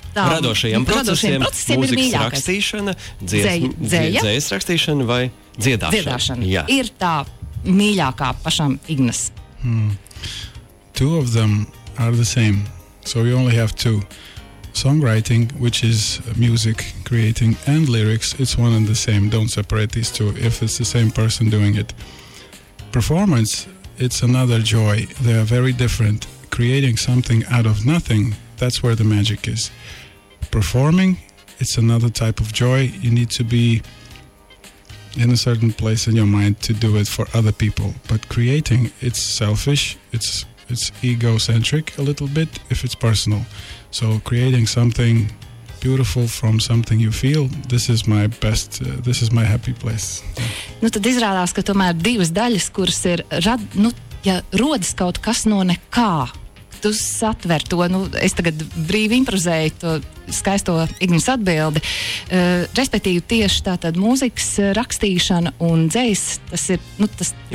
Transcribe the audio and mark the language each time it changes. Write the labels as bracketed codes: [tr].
[lv] radošajiem procesiem, mūzikas rakstīšana, dzejas rakstīšana vai dziedāšana? Jā. Ir tā mīļākā pašam Ignas. [en] Two of them are the same, so we only have two. Songwriting, which is music creating, and lyrics, it's one and the same. Don't separate these two if it's the same person doing it. Performance, it's another joy. They are very different. Creating something out of nothing, that's where the magic is. Performing, it's another type of joy. You need to be in a certain place in your mind to do it for other people. But creating, it's selfish. It's egocentric a little bit if it's personal. So creating something beautiful from something you feel, this is my best, this is my happy place. Yeah. [lv] Nu, tad izrādās, ka tomēr divas daļas, kuras ir, nu, ja rodas kaut kas no nekā, tu satver to, nu, es tagad brīvi improzēju to skaisto Ignas atbildi, respektīvi tieši tātad mūzikas rakstīšana un dzejas, tas ir, nu, tas